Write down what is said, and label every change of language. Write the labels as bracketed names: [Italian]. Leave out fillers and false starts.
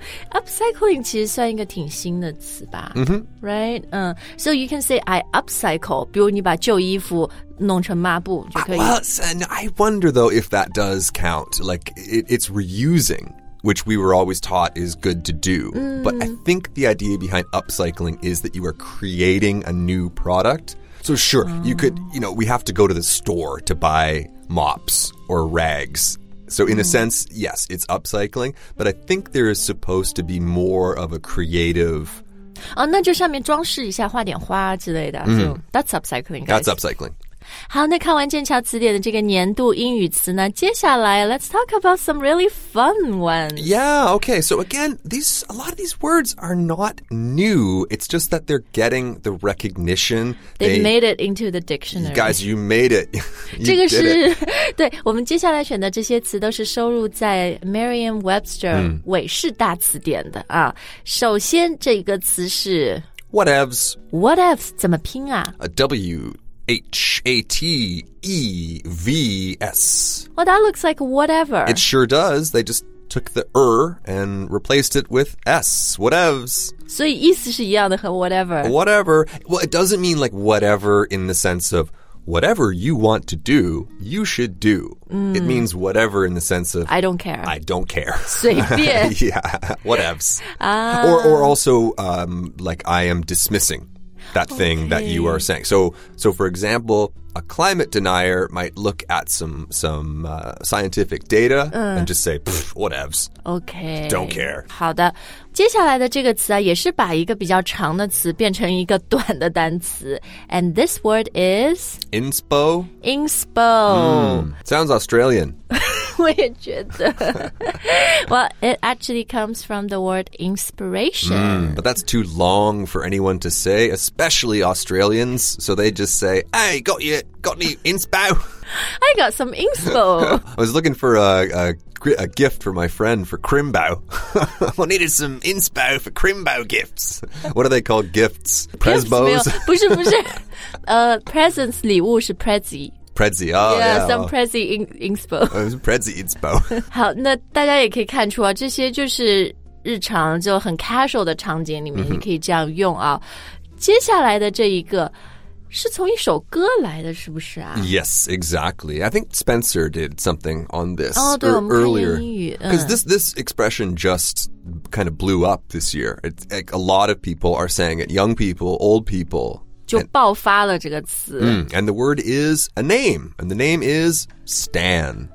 [Chinese] upcycling 其实算一个挺新的词吧、 [English] Right?、 So you can say I upcycle, [Chinese] 比如你把旧衣服弄成抹布就可以。 [English] And I wonder though if that does count. Like it's reusing. Which we were always taught is good to do.、But I think the idea behind upcycling is that you are creating a new product. So sure,、you could, you know, we have to go to the store to buy mops or rags. So in、a sense, yes, it's upcycling. But I think there is supposed to be more of a creative... [Chinese] 那就上面装饰一下画点花之类的、 [English] So that's upcycling, guys. That's upcycling. [Chinese] 好，那看完剑桥词典的这个年度英语词呢，接下来 [English] let's talk about some really fun ones. Yeah, okay. So again, a lot of these words are not new. It's just that they're getting the recognition. They made it into the dictionary. Guys, you made it. [Chinese] You 这个是对我们接下来选的这些词都是收入在 Merriam-Webster 韦氏大词典的啊。首先这个词是 [English] whatevs. [Chinese] Whatevs 怎么拼啊 [English] ？W. H-A-T-E-V-S. Well, that looks like whatever. It sure does. They just took the and replaced it with S. Whatevs. 所以意思是一样的和 whatever. Whatever. Well, it doesn't mean like whatever in the sense of whatever you want to do, you should do.、It means whatever in the sense of I don't care. I don't care. [Chinese] 随便 [English] Yeah, whatevs.、Or also、like I am dismissing. That thing、okay. that you are saying. So for example, a climate denier might look at some scientific data、and just say, whatevs. Okay. Don't care. [Chinese] 好的，接下来的这个词啊，也是把一个比较长的词变成一个短的单词。 [English] And this word is? Inspo. Inspo.、 Sounds Australian. [Chinese] 我也觉得。 [English] Well, it actually comes from the word inspiration. Mm, but that's too long for anyone to say, especially Australians. So they just say, hey, got you. Got any inspo? I got some inspo. I was looking for a gift for my friend for Crimbo. I needed some inspo for Crimbo gifts. What are they called? Gifts? Presbos? [Chinese] 不是。 presents 礼物是 prezi。 [English] Prezi, some Prezi inspo. Prezi inspo. [Chinese] 好，那大家也可以看出啊，这些就是日常就很 casual 的场景里面，你可以这样用啊。接下来的这一个是从一首歌来的，是不是啊 [English] ？Yes, exactly. I think Spencer did something on this. [Chinese] Oh, 对，我们看英语。 [English] Because this expression just kind of blew up this year. It's like a lot of people are saying it. Young people, old people. [Chinese] 就爆发了这个词。 [English] And the word is a name, and the name is Stan.